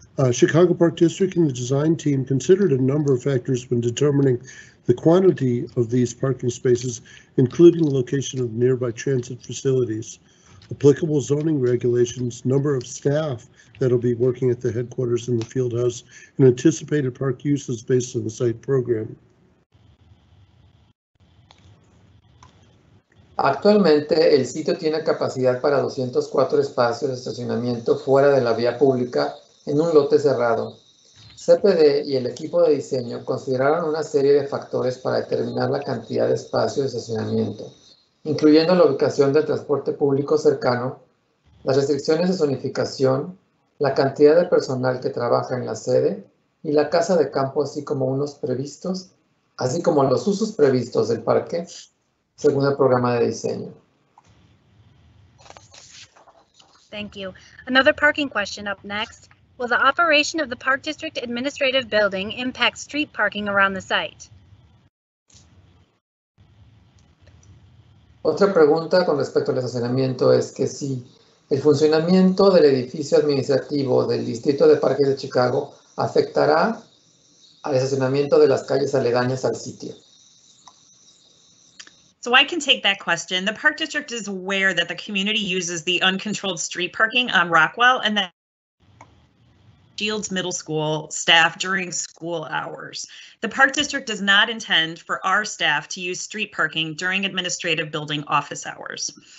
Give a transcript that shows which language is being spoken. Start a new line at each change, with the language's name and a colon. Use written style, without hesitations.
English: Chicago Park District and the design team considered a number of factors when determining the quantity of these parking spaces, including the location of nearby transit facilities, applicable zoning regulations, number of staff that will be working at the headquarters in the field house, and anticipated park uses based on the site program.
Spanish: Actualmente, el sitio tiene capacidad para 204 espacios de estacionamiento fuera de la vía pública en un lote cerrado. CPD y el equipo de diseño consideraron una serie de factores para determinar la cantidad de espacio de estacionamiento, incluyendo la ubicación del transporte público cercano, las restricciones de zonificación, la cantidad de personal que trabaja en la sede y la casa de campo, así como los usos previstos del parque, según el programa de diseño.
English: Thank you. Another parking question up next. Will the operation of the Park District Administrative Building impact street parking around the site?
Spanish: Otra pregunta con respecto al estacionamiento es que si el funcionamiento del edificio administrativo del Distrito de Parques de Chicago afectará al estacionamiento de las calles aledañas al sitio.
English: So I can take that question. The Park District is aware that the community uses the uncontrolled street parking on Rockwell and that Shields Middle School staff during school hours. The Park District does not intend for our staff to use street parking during administrative building office hours.